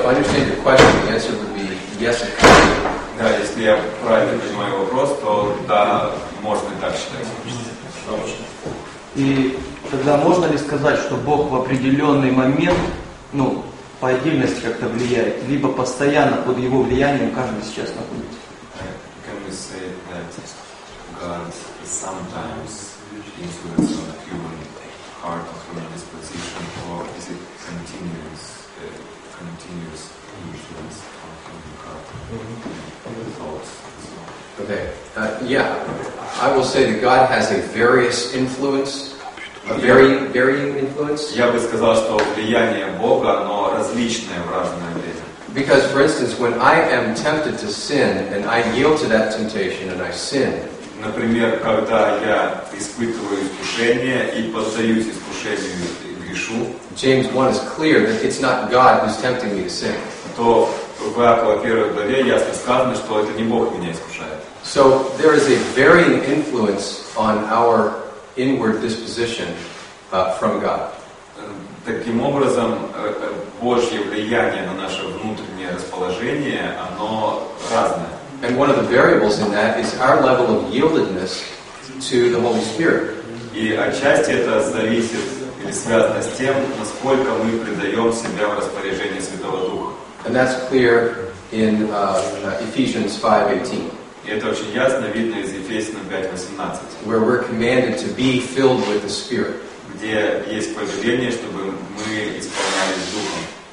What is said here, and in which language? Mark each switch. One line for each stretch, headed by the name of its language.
English: If I understand your question, the answer would be yes.
Russian: Да, если я правильно понимаю вопрос, то да, можно так считать. И тогда можно ли сказать, что Бог в определенный момент, ну, по отдельности как-то влияет, либо постоянно под его влиянием каждый сейчас находится?
English: Can we say that God sometimes influences on human heart, human disposition, or is it continuous? Continuous influence on human heart, thoughts, and so on. Okay. Yeah. I will say that God has a various influence, varying influence.
Russian: Я бы сказал, что влияние Бога, оно различное в разное время.
English: Because, for instance, when I am tempted to sin and I yield to that temptation and I sin.
Russian: Например, когда я испытываю искушение и поддаюсь искушению.
English: James 1 is clear that it's not God who's tempting me to sin.
Russian: То в Иакова 1 главе ясно сказано, что это не Бог меня искушает.
English: So there is a varying influence on our inward disposition from God.
Russian: Таким образом, Божье влияние на наше внутреннее расположение, оно разное.
English: And one of the variables in that is our level of yieldedness to the Holy Spirit.
Russian: И отчасти это зависит или связано с тем, насколько мы предаем себя в распоряжение Святого Духа.
English: And that's clear in Ephesians 5:18.
Russian: И это очень ясно видно из Ефесянам 5:18.
English: Where we're commanded to be filled with the Spirit.
Russian: Где есть повеление, чтобы мы исполнялись Духом.